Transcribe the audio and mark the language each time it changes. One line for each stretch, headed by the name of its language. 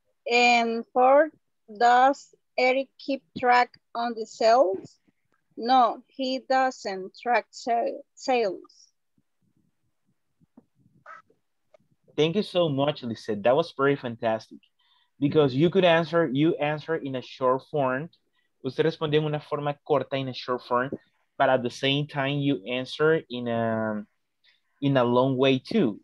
English: And four, does Eric keep track on the sales? No, he doesn't track sales. Thank you so much, Lisette. That was very fantastic. Because you could answer, you answer in a short form.
Spanish: Usted respondió en una forma corta,
English: in a short form. But at the same time, you answer in a long way too.